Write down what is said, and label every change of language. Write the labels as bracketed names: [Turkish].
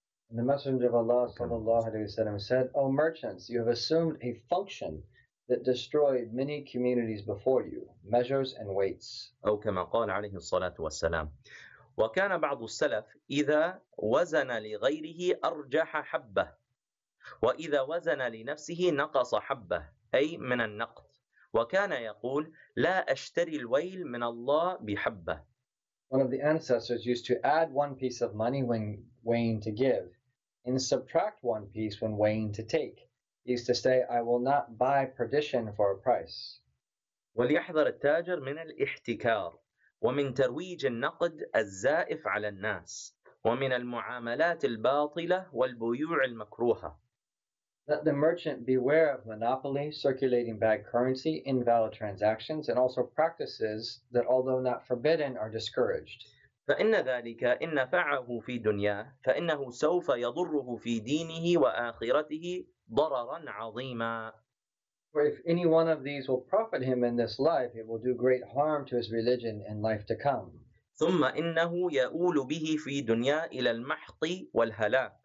[English] And the Messenger of Allah sallallahu alayhi wa sallam said, O merchants, you have assumed a function that destroyed many communities before you, measures and weights. [Arabic] أو كما قال عليه الصلاة والسلام وكان بعض السلف إذا وزن لغيره أرجح حبة وإذا وزن لنفسه نقص حبة أي من النقص وكان يقول لا أشتري الويل من الله بحبة. [English] One of the ancestors used to add one piece of money when weighing to give, and subtract one piece when weighing to take. He used to say, I will not buy perdition for a price. [Arabic] وليحذر التاجر من الاحتكار ومن ترويج النقد الزائف على الناس ومن المعاملات الباطلة والبيوع المكروهة. [English] Let the merchant beware of monopoly, circulating bad currency, invalid transactions, and also practices that, although not forbidden, are discouraged. [Arabic] فإن ذلك إن نفعه في دنياه فإنه سوف يضره في دينه وآخرته ضررا عظيما. [English] For if any one of these will profit him in this life, it will do great harm to his religion in life to come. [Arabic] ثم إنه يؤول به في دنياه إلى المحط والهلاك.